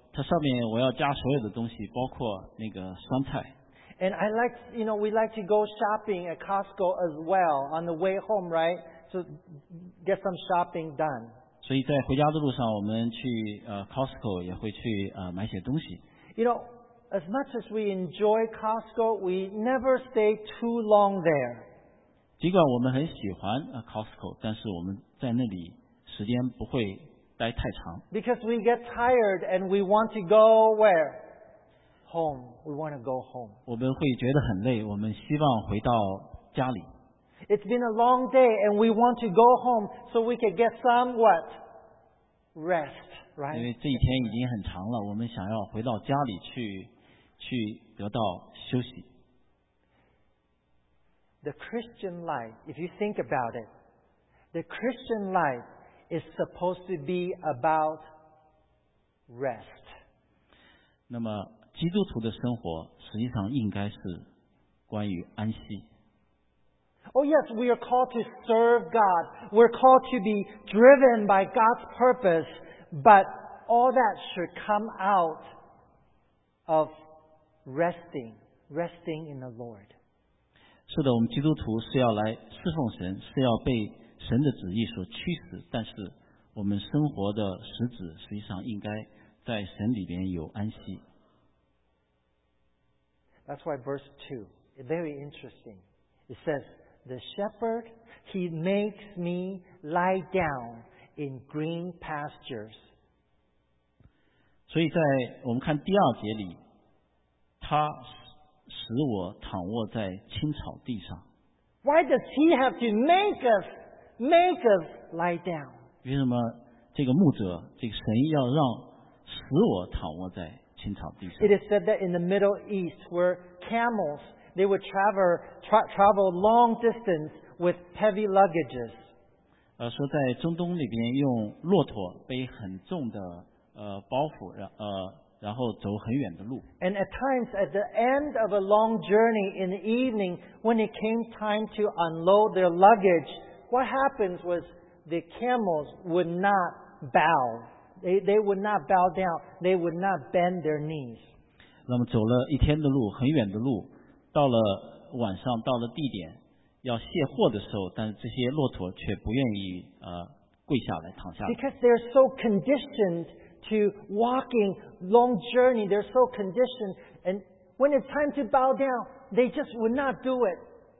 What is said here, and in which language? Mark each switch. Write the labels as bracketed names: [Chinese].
[Chinese] 它上面我要加所有的东西，包括那个酸菜。 [English] And I like, you know, we like to go shopping at Costco as well on the way home, right? So get some shopping done. [Chinese] 所以在回家的路上，我们去Costco 也会去买些东西。 [English] You know, as much as we enjoy Costco, we never stay too long there. [Chinese] 尽管我们很喜欢Costco, 但是我们在那里时间不会。待太长。 [English] Because we get tired and we want to go where? Home. We want to go home. [Chinese] 我们会觉得很累，我们希望回到家里。 [English] It's been a long day and we want to go home so we can get some what? Rest, right? [Chinese] 因为这一天已经很长了，我们想要回到家里去得到休息。 [English] The Christian life, if you think about it, the Christian life is supposed to be about rest. [Chinese] 那么基督徒的生活实际上应该是关于安息。 [English] Oh yes, we are called to serve God. We're called to be driven by God's purpose. But all that should come out of resting, resting in the Lord. [Chinese] 是的，我们基督徒是要来侍奉神，是要被神的旨意所驱使，但是我们生活的实质实际上应该在神里边有安息。 [English] That's why verse 2 is very interesting. It says, "The shepherd, he makes me lie down in green pastures." [Chinese] 所以在我们看第二节里，他使我躺卧在青草地上。 [English] Why does he have to make us lie down? [Chinese] 为什么这个牧者，这个神要让使我躺卧在青草地上？ [English] It is said that in the Middle East, where camels they would travel long distance with heavy luggages. [Chinese] 说在中东里边用骆驼背很重的包袱，然后走很远的路。 [English] And at times, at the end of a long journey in the evening, when it came time to unload their luggage. What happens was the camels would not bow. They would not bow down. They would not bend their knees. [Chinese] 那么走了一天的路，很远的路，到了晚上，到了地点要卸货的时候，但是这些骆驼却不愿意跪下来躺下来。 [English] Because they're so conditioned to walking long journey, they're so conditioned, and when it's time to bow down, they just would not do it.